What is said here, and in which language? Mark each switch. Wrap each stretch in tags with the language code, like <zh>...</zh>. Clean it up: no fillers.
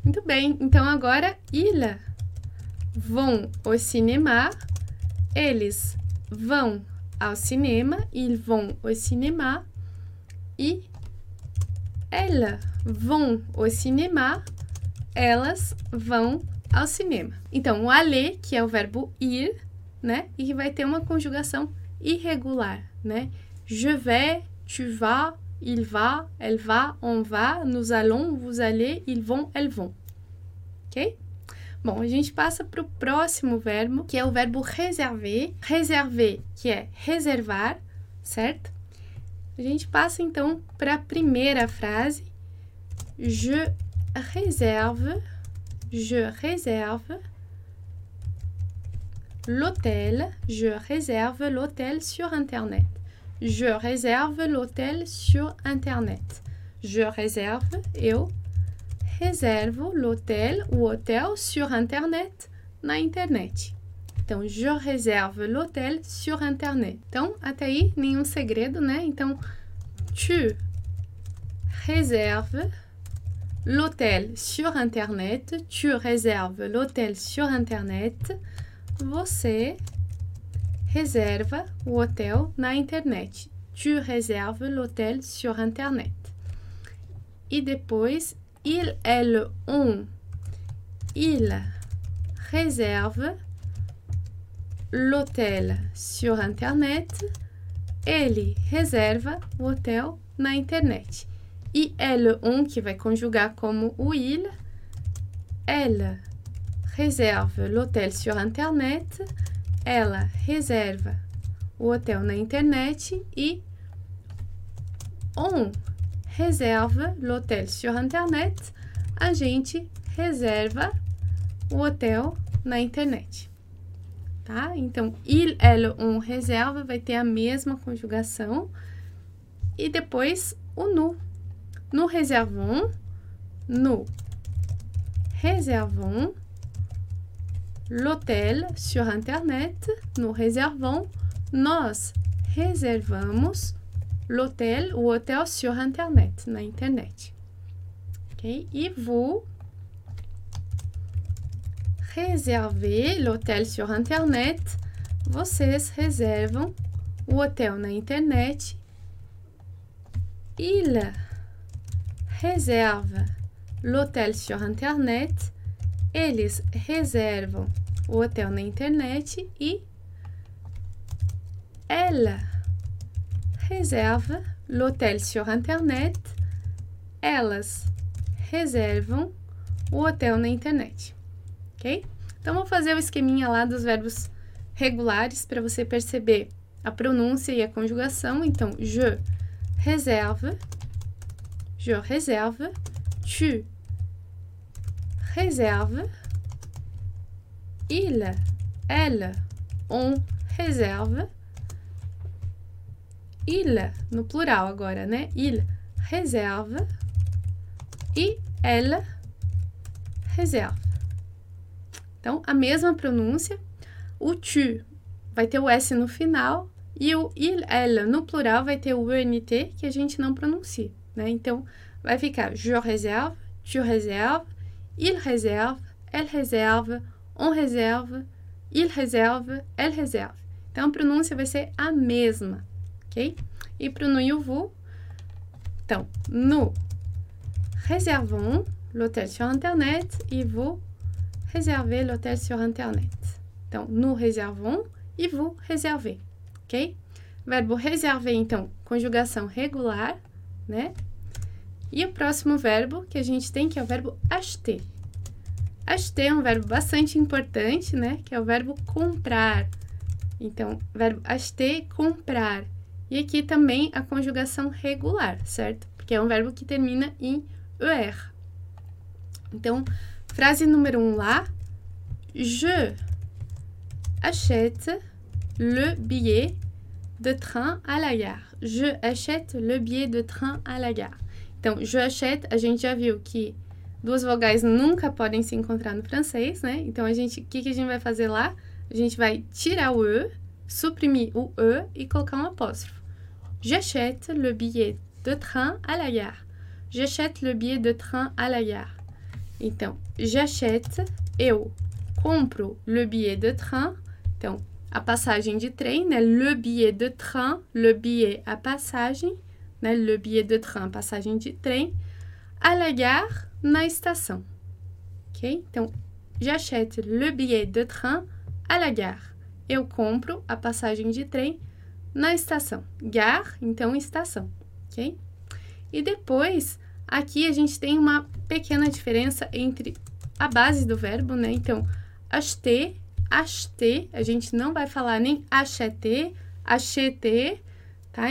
<pt>Muito bem, então agora,</pt> <fr>ils vont au cinéma,</fr> <pt>eles vão ao cinema, ils vont au cinéma, e</pt> <fr>elles vont au cinéma,</fr> <pt>elas vão ao cinema. Então, o aller, que é o verbo ir, né? E que vai ter uma conjugação irregular, né?</pt> <fr>Je vais, tu vas, il va, elle va, on va, nous allons, vous allez, ils vont, elles vont.</fr> <pt>Ok? Bom, a gente passa para o próximo verbo, que é o verbo réserver. Réserver, que é reservar, certo? A gente passa então para a primeira frase.</pt> <fr>Je réserve l'hôtel. Je réserve l'hôtel sur Internet. Je réserve l'hôtel sur Internet. Je réserve, eu</fr> <pt>reservo o hotel</pt> <fr>sur internet,</fr> <pt>na internet.</pt> <fr>Então, je réserve l'hôtel sur internet.</fr> <pt>Então, até aí, nenhum segredo, né?</pt> <fr>Então, tu réserve l'hôtel sur internet. Tu réserve l'hôtel sur internet.</fr> <pt>Você reserva o hotel na internet.</pt> <fr>Tu réserve l'hôtel sur internet.</fr> <pt>E depois,</pt> <fr>ils, elles, ont. Ils réservent l'hôtel sur internet.</fr> <pt>Ele reserva o hotel na internet. E elles ont, que vai conjugar como o il.</pt> <fr>Elle réserve l'hôtel sur internet.</fr> <pt>Ela reserva o hotel na internet.</pt> <fr>E on réserve l'hôtel sur internet.</fr> <pt>A gente reserva o hotel na internet. Tá? Então, il, elle, on réserve vai ter a mesma conjugação. E depois, o nous.</pt> <fr>Nous réservons. Nous réservons l'hôtel sur internet. Nous réservons.</fr> <pt>Nós reservamos</pt> <fr>l'hôtel,</fr> <pt>o hotel</pt> <fr>sur internet,</fr> <pt>na internet. Ok?</pt> <fr>E vous réservez l'hôtel sur internet.</fr> <pt>Vocês reservam o hotel na internet.</pt> <fr>Il réserve l'hôtel sur internet.</fr> <pt>Eles reservam o hotel na internet. E ela reserva</pt> <fr>l'hôtel sur internet.</fr> <pt>Elas reservam o hotel na internet. Ok? Então, vou fazer o esqueminha lá dos verbos regulares para você perceber a pronúncia e a conjugação.</pt> <fr>Então, je réserve, tu réserve, il, elle, on réserve, il,</fr> <pt>no plural agora, né?</pt> <fr>Il réserve e elle réserve.</fr> <pt>Então, a mesma pronúncia, o tu vai ter o S no final e o il, ela no plural vai ter o NT que a gente não pronuncia, né? Então, vai ficar</pt> <fr>je réserve, tu réserve, il réserve, elle réserve, on réserve, il réserve, elle réserve.</fr> <pt>Então, a pronúncia vai ser a mesma, ok? E pro nous e o vous?</pt> <fr>Então, nous réservons l'hôtel sur internet e vous réservez l'hôtel sur internet. Então, nous réservons e vous réservez, ok?</fr> <pt>Verbo réserver, então, conjugação regular, né? E o próximo verbo que a gente tem, que é o verbo acheter. Acheter é um verbo bastante importante, né? Que é o verbo comprar. Então, verbo acheter, comprar. E aqui também a conjugação regular, certo? Porque é um verbo que termina em er. Então, frase número 1 lá.</pt> <fr>Je achète le billet de train à la gare. Je achète le billet de train à la gare.</fr> <pt>Então, je achète, a gente já viu que duas vogais nunca podem se encontrar no francês, né? Então, que a gente vai fazer lá? A gente vai tirar o e, suprimir o e e colocar um apóstrofo.</pt> <fr>J'achète le billet de train à la gare. J'achète le billet de train à la gare. Então, j'achète,</fr> <pt>eu compro</pt> <fr>le billet de train.</fr> <pt>Então, a passagem de trem, né?</pt> <fr>Le billet de train, le billet,</fr> <pt>a passagem,</pt> <fr>né? Le billet de train,</fr> <pt>passagem de trem.</pt> <fr>À la gare,</fr> <pt>na estação.</pt> <fr>Ok? Então, j'achète le billet de train à la gare.</fr> <pt>Eu compro a passagem de trem na estação. Gare, então estação, ok? E depois, aqui a gente tem uma pequena diferença entre a base do verbo, né? Então, acheter, acheter, a gente não vai falar nem acheter, acheter, tá?</pt>